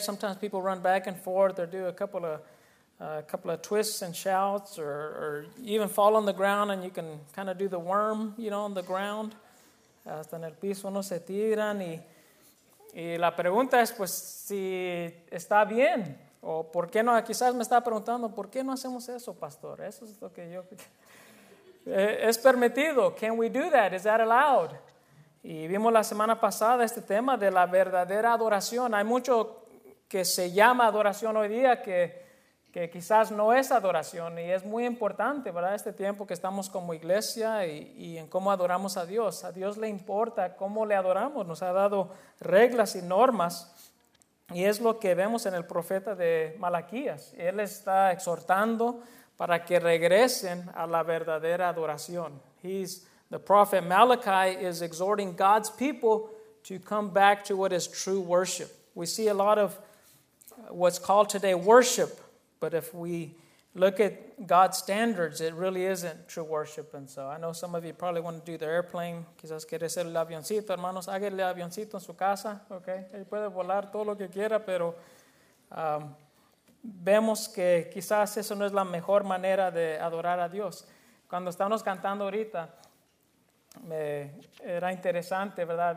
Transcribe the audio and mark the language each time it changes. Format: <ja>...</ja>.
<en>Sometimes people run back and forth or do a couple of twists and shouts or even fall on the ground and you can kind of do the worm, you know, on the ground.</en> <es>Hasta en el piso uno se tiran y la pregunta es, pues, si está bien o por qué no. Quizás me está preguntando, ¿por qué no hacemos eso, pastor? Eso es lo que yo... ¿Es permitido?</es> <en>Can we do that? Is that allowed?</en> <es>Y vimos la semana pasada este tema de la verdadera adoración. Hay mucho que se llama adoración hoy día que quizás no es adoración y es muy importante, ¿verdad? Este tiempo que estamos como iglesia y en cómo adoramos a Dios. A Dios le importa cómo le adoramos. Nos ha dado reglas y normas y es lo que vemos en el profeta de Malaquías. Él está exhortando para que regresen a la verdadera adoración.</es> <en>The prophet Malachi is exhorting God's people to come back to what is true worship. We see a lot of what's called today worship, but if we look at God's standards, it really isn't true worship. And so I know some of you probably want to do the airplane.</en> <es>Quizás quiere hacer el avioncito, hermanos, haga el avioncito en su casa, okay? Él puede volar todo lo que quiera, pero vemos que quizás eso no es la mejor manera de adorar a Dios. Cuando estamos cantando ahorita, era interesante, ¿verdad?</es>